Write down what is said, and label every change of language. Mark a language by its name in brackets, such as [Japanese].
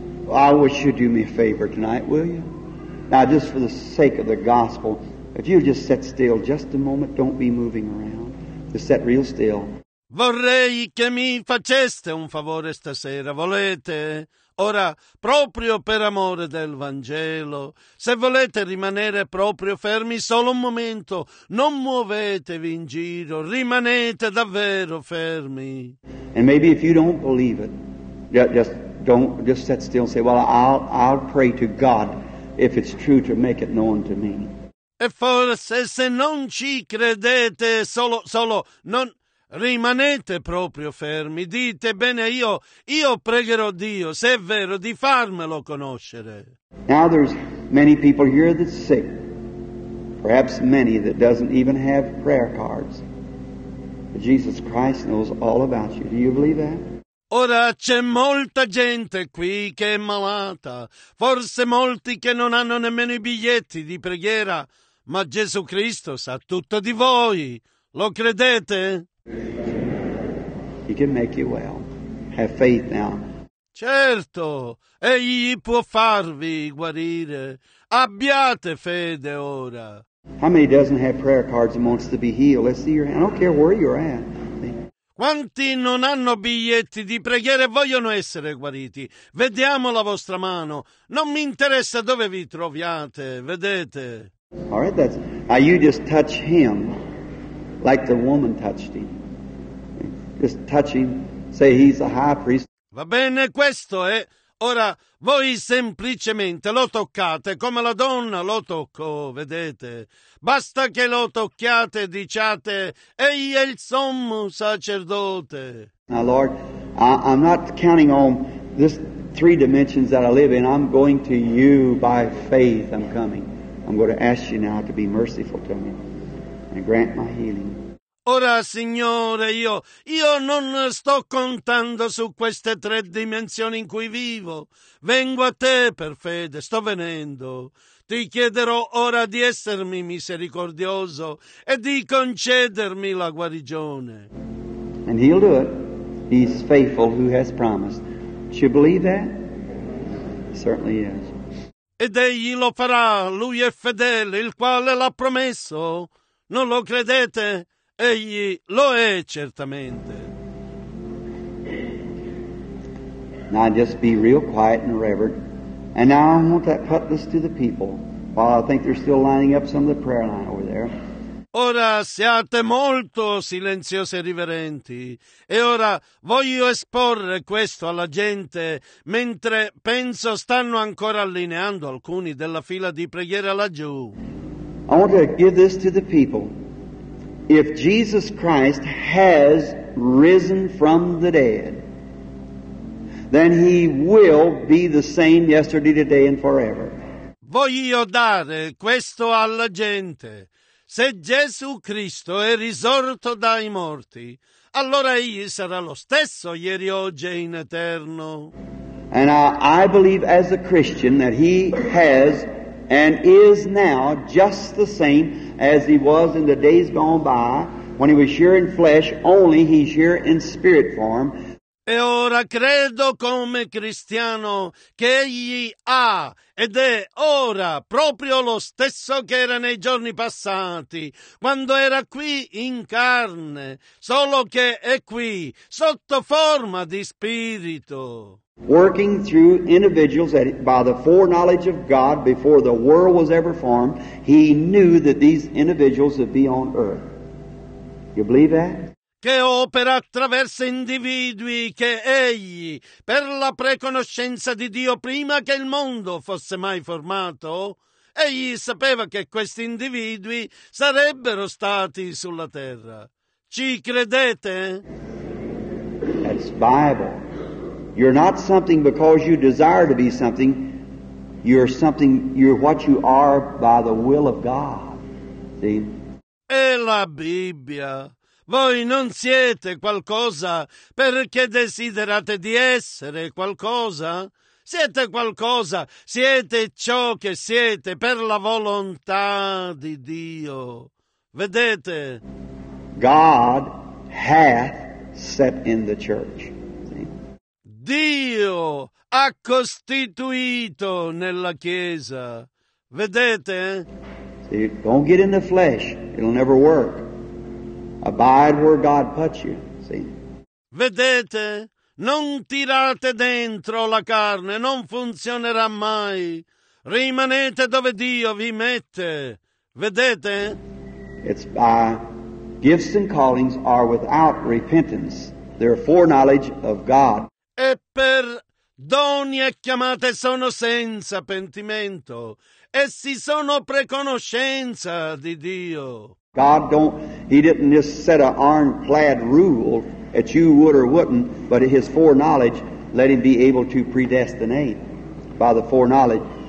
[English] I wish you'd do me a favor tonight, will you? Now, just for the sake of the gospel, if you just sit still just a moment, don't be moving around, just sit real still. [Italian] Vorrei che mi faceste un favore stasera, volete? Ora, proprio per amore del Vangelo, se volete rimanere proprio fermi solo un momento, non muovetevi in giro, rimanete davvero fermi. [English] And maybe if you don't believe it, just sit still and say, well, I'll pray to God if it's true to make it known to me. [Italian] E forse se non ci credete, solo non rimanete proprio fermi, dite bene, io pregherò Dio, se è vero, di farmelo conoscere. [English] Now there's many people here that's sick, perhaps many that doesn't even have prayer cards. But Jesus Christ knows all about you. Do you believe that? [Italian] Ora c'è molta gente qui che è malata, forse molti che non hanno nemmeno i biglietti di preghiera, ma Gesù Cristo sa tutto di voi. Lo credete? [English] He can make you well. Have faith now. [Italian] Certo, egli può farvi guarire. Abbiate fede ora. [English] How many doesn't have prayer cards and wants to be healed? Let's see your hand. I don't care where you're at. [Italian] Quanti non hanno biglietti di preghiera e vogliono essere guariti? Vediamo la vostra mano. Non mi interessa dove vi troviate, vedete? [English] All right, that's. Now you just touch him like the woman touched him. Just touch him, say he's a high priest. [Italian] Va bene, questo è. Ora, voi semplicemente lo toccate come la donna lo toccò, vedete? Basta che lo tocchiate, diciate, egli è il sommo sacerdote. [English] Now, Lord, I'm not counting on this three dimensions that I live in. I'm going to you by faith. I'm coming. I'm going to ask you now to be merciful to me and grant my healing. [Italian] Ora, Signore, io non sto contando su queste tre dimensioni in cui vivo. Vengo a te per fede, sto venendo. Ti chiederò ora di essermi misericordioso e di concedermi la guarigione. [English] And he'll do it. He's faithful who has promised. Do you believe that? Certainly yes. [Italian] Ed egli lo farà. Lui è fedele, il quale l'ha promesso. Non lo credete? Egli lo è certamente. [English] Now just be real quiet and reverent. And now I want to put this to the people. While I think they're still lining up some of the prayer line over there. [Italian] Ora siate molto silenziosi e riverenti. E ora voglio esporre questo alla gente mentre penso stanno ancora allineando alcuni della fila di preghiera laggiù. [English] I want to give this to the people. If Jesus Christ has risen from the dead, then he will be the same yesterday, today, and forever. [Italian] Voglio dare questo alla gente. Se Gesù Cristo è risorto dai morti, allora egli sarà lo stesso ieri, oggi e in eterno. [English] And I believe as a Christian that he has and is now just the same as he was in the days gone by, When he was here in flesh only, he's here in spirit form. [Italian] E ora credo come cristiano che egli ha ed è ora proprio lo stesso che era nei giorni passati, quando era qui in carne, solo che è qui sotto forma di spirito. [English] Working through individuals that by the foreknowledge of God before the world was ever formed, he knew that these individuals would be on earth. You believe that? [Italian] Che opera attraverso individui che egli, per la preconoscenza di Dio prima che il mondo fosse mai formato, egli sapeva che questi individui sarebbero stati sulla terra. Ci credete? [English] That's Bible. You're not something because you desire to be something. You're something, you're what you are by the will of God. See? [Italian] È la Bibbia. Voi non siete qualcosa perché desiderate di essere qualcosa. Siete qualcosa, siete ciò che siete per la volontà di Dio. Vedete? [English] God hath set in the church. [Italian] Dio ha costituito nella Chiesa. Vedete? [English] See, don't get in the flesh. It'll never work. Abide where God puts you. See? [Italian] Vedete? Non tirate dentro la carne. Non funzionerà mai. Rimanete dove Dio vi mette. Vedete? [English] It's by gifts and callings are without repentance. They're foreknowledge of God. [Italian] E per doni e chiamate sono senza pentimento. Essi sono preconoscenza di Dio. [English] God don't, he didn't just set an ironclad rule that you would or wouldn't, but his foreknowledge let him be able to predestinate by the foreknowledge.